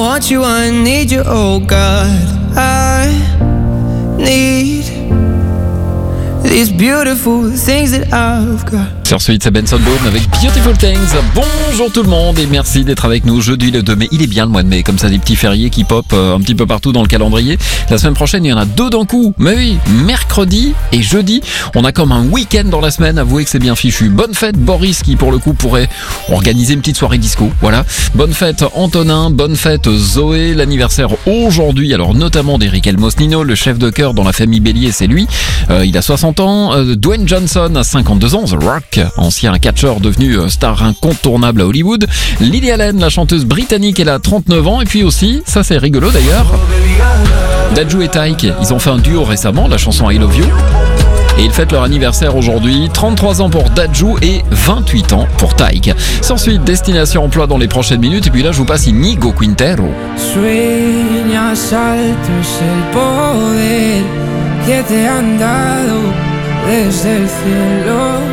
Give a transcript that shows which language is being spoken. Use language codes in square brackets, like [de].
[en] You, I need you, oh God. I need these beautiful things that I've got. [fr] Sur suite, c'est Benson Boone avec Beautiful Things. Bonjour tout le monde et merci d'être avec nous. Jeudi le 2 mai, il est bien le mois de mai, comme ça des petits fériés qui pop un petit peu partout dans le calendrier. La semaine prochaine, il y en a deux d'un coup. Mais oui, mercredi et jeudi, on a comme un week-end dans la semaine. Avouez que c'est bien fichu. Bonne fête Boris qui pour le coup pourrait organiser une petite soirée disco. Voilà. Bonne fête Antonin, bonne fête Zoé. L'anniversaire aujourd'hui, alors notamment d'Eric Elmosnino, le chef de chœur dans la famille Bélier, c'est lui. Il a 60 ans. Dwayne Johnson a 52 ans, The Rock. Ancien catcheur devenu star incontournable à Hollywood. Lily Allen, la chanteuse britannique, elle a 39 ans. Et puis aussi, ça c'est rigolo d'ailleurs, Dadju et Tyke, ils ont fait un duo récemment, la chanson I Love You. Et ils fêtent leur anniversaire aujourd'hui, 33 ans pour Dadju et 28 ans pour Tyke. Sans suite, Destination Emploi dans les prochaines minutes. Et puis là, je vous passe Inigo Quintero. [es] Sueñas altos el poder que te han dado desde el cielo.